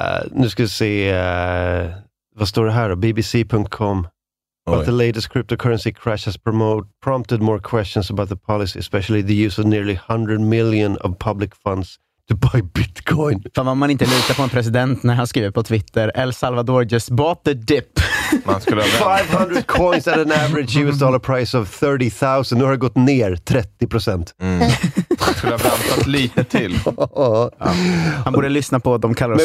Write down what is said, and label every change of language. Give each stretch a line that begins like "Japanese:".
Swedish: Nu ska vi se, vad står det här då? BBC.com.
English: But the latest cryptocurrency crash has prompted more questions about the policy, especially the use of nearly 100 million of public funds to buy bitcoin.
Swedish: Fan, vad man inte litar på en president när han skriver på Twitter.
English: El Salvador just bought the dip.
Swedish: Man skulle ha
English: 500 coins at an average US dollar price of 30,000.
Swedish: Nu har det gått ner 30%. Mm. Man skulle ha väntat lite till. Ja. Han borde lyssna på vad de kallar oss